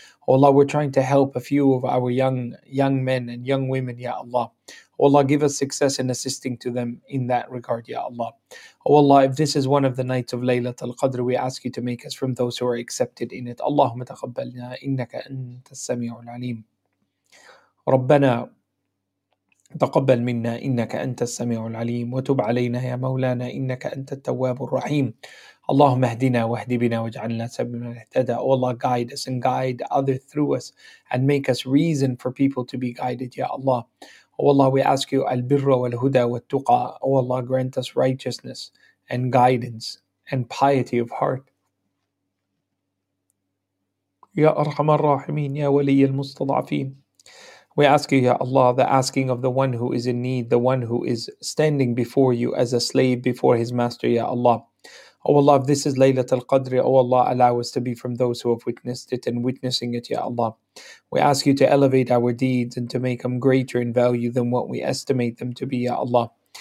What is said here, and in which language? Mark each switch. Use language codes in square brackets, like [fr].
[en] Oh Allah, we're trying to help a few of our young men and young women, Ya Allah. Oh Allah, give us success in assisting to them in that regard, Ya Allah. Oh Allah, if this is one of the nights of Laylatul Qadr, we ask you to make us from those who are accepted in it. [ar] Allahumma taqabbalna innaka antas samiul alim. Rabbana تقبل منا إنك أنت السميع العليم وتب علينا يا مولانا إنك أنت التواب الرحيم اللهم اهدنا واهد بنا واجعلنا سبيلا اهتدى. [en] Oh Allah, guide us and guide others through us and make us reason for people to be guided, Ya Allah. Oh Allah, we ask you [ar] البر والهدى والتقى. [en] Oh Allah, grant us righteousness and guidance and piety of heart. [ar] يا أرحم الراحمين يا ولي المستضعفين. [en] We ask you, Ya Allah, the asking of the one who is in need, the one who is standing before you as a slave before his master, Ya Allah. Oh Allah, if this is Laylatul Qadr, oh Allah, allow us to be from those who have witnessed it and witnessing it, Ya Allah. We ask you to elevate our deeds and to make them greater in value than what we estimate them to be, Ya Allah.